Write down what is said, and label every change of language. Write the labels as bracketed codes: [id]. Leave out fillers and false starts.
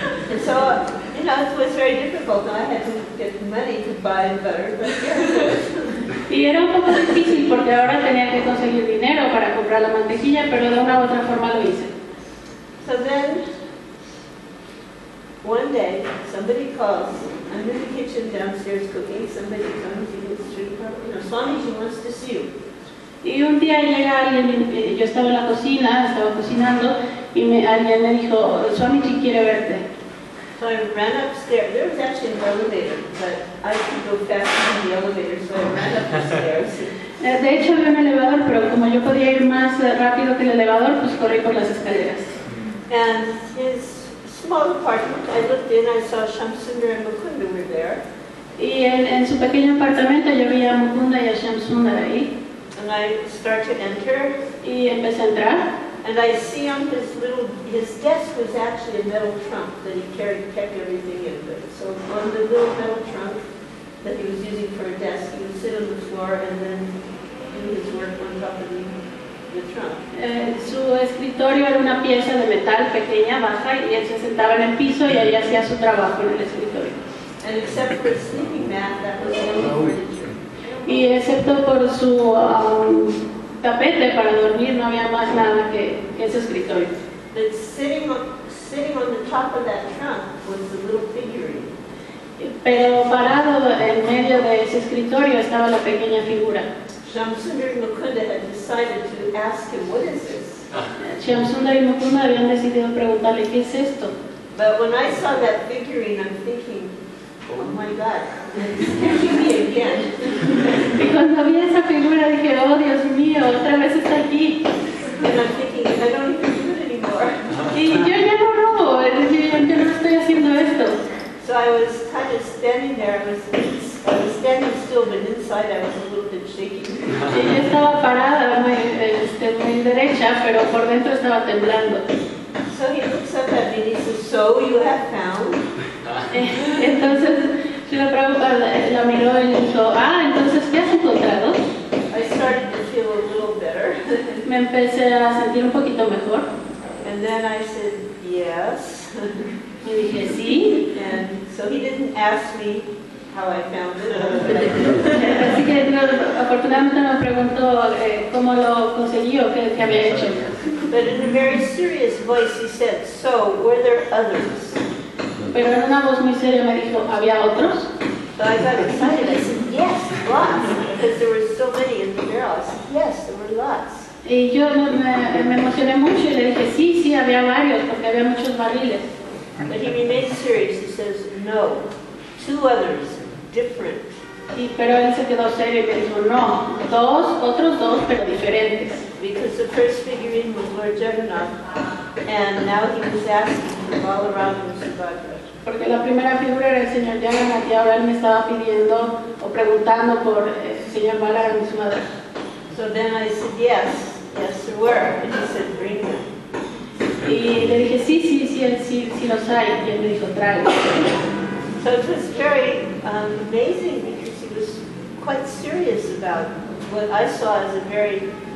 [en] And so, you know, it was very difficult. I had to get money to buy butter, but yeah. [es] Y era un poco difícil porque ahora tenía que conseguir dinero para comprar la mantequilla, pero de una u otra forma lo hice. [en] So then, one day, somebody calls. I'm in the kitchen downstairs cooking. Somebody comes in the street. You know, Swamiji wants to see you. [es] Y un día llega alguien, yo estaba en la cocina, estaba cocinando, y alguien me dijo, Swamiji quiere verte. [en] So I ran upstairs. There was actually an elevator, but I could go faster than the elevator, so I ran up the stairs. [es] De hecho había un elevador, pero como yo podía ir más rápido que el elevador, pues corrí por las escaleras. [en] And his small apartment, I looked in, I saw Shamsundar and Mukunda were there. [es] Y en su pequeño apartamento yo vi a Mukunda y a Shamsundar ahí. [en] And I start to enter. [es] Y empecé a entrar. [en] And I see on his little, his desk was actually a metal trunk that he carried, kept everything in. But so on the little metal trunk that he was using for a desk, he would sit on the floor and then do his work on top of the trunk. [es] Su escritorio era una pieza de metal pequeña, baja, y él se sentaba en el piso y ahí hacía su trabajo en el escritorio. [en] And except for a sleeping mat, that was the only furniture. [es] Y excepto por su tapete para dormir, no había más nada que ese escritorio. [en] But sitting on the top of that trunk was the little figurine. [es] Pero parado en medio de ese escritorio estaba la pequeña figura. [en] Shamsundar and Mukunda had decided to ask him, what is this? [es] Shamsundar y Mukunda habían decidido preguntarle, ¿qué es esto? [en] But when I saw that figurine, I'm thinking, oh my God, it's catching me again. [es] Y cuando vi esa figura dije, oh Dios mío, otra vez está aquí. [en] And I'm thinking, I don't even do it anymore. [es] Y yo ya no robo, yo no estoy haciendo esto. [en] So I was kind of standing there, I was standing still, but inside I was a little bit shaking. [es] Y yo estaba parada, muy derecha, pero por dentro estaba temblando. [en] So he looks up at me and he says, so you have found? [es] Entonces, Srila Prabhupada la miró y dijo, ah, entonces, ¿qué has encontrado? [en] I started to feel a little better. [es] Me empecé a sentir un poquito mejor. [en] And then I said, yes. [es] Y dije, sí. [en] And so he didn't ask me how I found it. [es] Así que, afortunadamente, me preguntó cómo lo conseguí o qué había hecho. [en] But in a very serious voice, he said, so, were there others? [es] Pero en una voz muy seria me dijo, ¿había otros? [en] So I got excited. I said, yes, lots. Because there were so many in the barrel. I said, yes, there were lots. [es] Y yo me emocioné mucho y le dije, sí, sí, había varios, porque había muchos barriles. [en] But he remained serious. He says, no, two others, different. [es] Y pero él se quedó serio y me dijo, no, dos, otros dos, pero diferentes. [en] Because the first figurine was Lord Jagannath, and now he was asking for Balarama and Subhadra. [es] Porque la primera figura era el señor Jagannath, y ahora él me estaba pidiendo o preguntando por el señor Balarama y Subhadra. [en] So then I said, yes, yes, there were. And he said, bring them. [es] Y le dije, sí, sí, sí, sí, sí los hay. Y él me dijo, tráelos. [en] So it was very amazing because he was quite serious about what I saw as a very